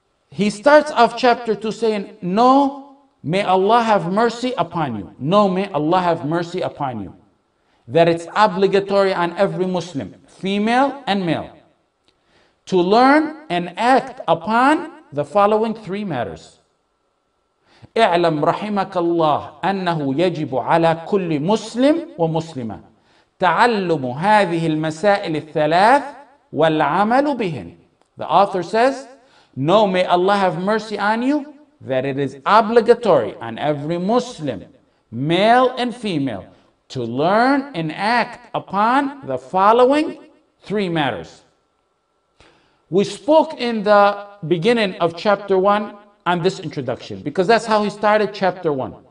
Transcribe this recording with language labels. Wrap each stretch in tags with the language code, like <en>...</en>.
<en>He starts off chapter two saying, no, may Allah have mercy upon you. No, may Allah have mercy upon you. That it's obligatory on every Muslim, female and male, to learn and act upon the following three matters.</en> <ar>اعلم رحمك الله أنه يجب على كل مسلم ومسلمة تعلم هذه المسائل الثلاث والعمل بهن.</ar> <en>The author says, no, may Allah have mercy on you, that it is obligatory on every Muslim, male and female, to learn and act upon the following three matters. We spoke in the beginning of chapter one on this introduction, because that's how he started chapter one.</en>